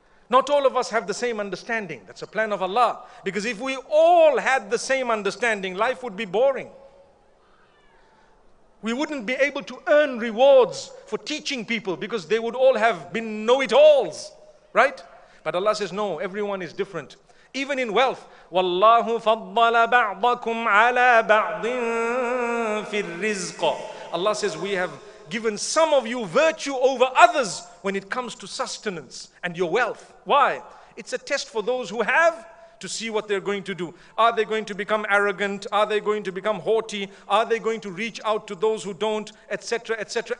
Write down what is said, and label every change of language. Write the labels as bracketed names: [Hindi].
[English] Not all of us have the same understanding. That's a plan of Allah. Because if we all had the same understanding, life would be boring. We wouldn't be able to earn rewards for teaching people because they would all have been know-it-alls, right? But Allah says, no, everyone is different. Even in wealth, [Arabic] وَاللَّهُ فَضَّلَ بَعْضَكُمْ عَلَىٰ بَعْضٍ فِي الرِّزْقِ. [English] Allah says, we have given some of you virtue over others when it comes to sustenance and your wealth. Why? It's a test for those who have to see what they're going to do. Are they going to become arrogant? Are they going to become haughty? Are they going to reach out to those who don't, etc., etc.?